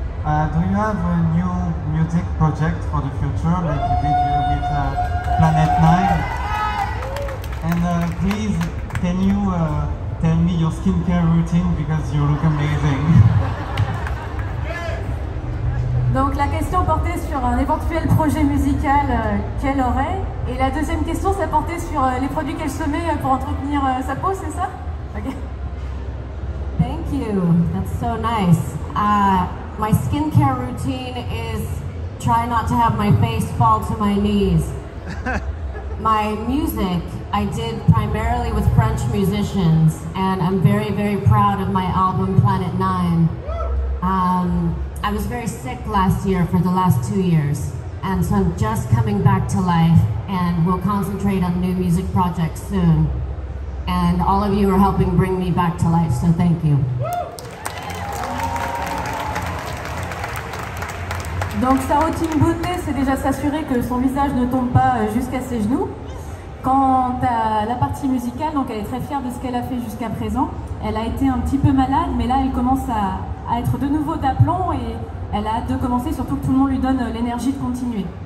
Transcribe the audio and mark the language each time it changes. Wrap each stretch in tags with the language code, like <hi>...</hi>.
<en>Do you have a new music project for the future, like you did with Planet Nine? And please, can you tell me your skincare routine, because you look amazing.</en> <fr>Donc la question portait sur un éventuel projet musical qu'elle aurait, et la deuxième question, ça portait sur les produits qu'elle se met pour entretenir sa peau, c'est ça?</fr> <en>Okay. Thank you. That's so nice. My skincare routine is try not to have my face fall to my knees. My music, I did primarily with French musicians, and I'm very, very proud of my album Planet Nine. I was very sick last year for the last 2 years, and so I'm just coming back to life, and we'll concentrate on new music projects soon. And all of you are helping bring me back to life, so thank you.</en> <fr>Donc sa routine beauté, c'est déjà s'assurer que son visage ne tombe pas jusqu'à ses genoux. Quant à la partie musicale, donc elle est très fière de ce qu'elle a fait jusqu'à présent. Elle a été un petit peu malade, mais là elle commence à être de nouveau d'aplomb et elle a hâte de commencer, surtout que tout le monde lui donne l'énergie de continuer.</fr>